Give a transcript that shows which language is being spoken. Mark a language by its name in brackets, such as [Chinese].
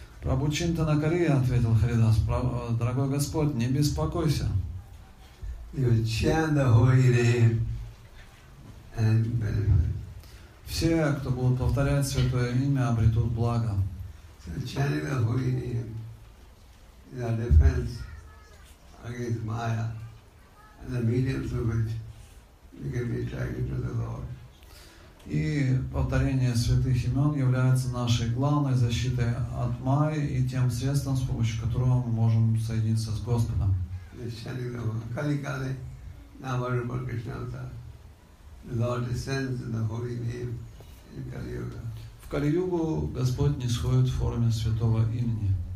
[Russian] Прабху Чинтана Кария, ответил Харидас, дорогой Господь, не беспокойся. [English] You chant the holy name and benefit. [Russian] Все, кто будут повторять святое имя, обретут благо. [English] So chanting the holy name is our defense against Maya and the medium through which we can be attracted to the Lord. [Russian] И повторение святых имен является нашей главной защитой от Майи и тем средством, с помощью которого мы можем соединиться с Господом. В Кали-югу Господь нисходит в форме святого имени.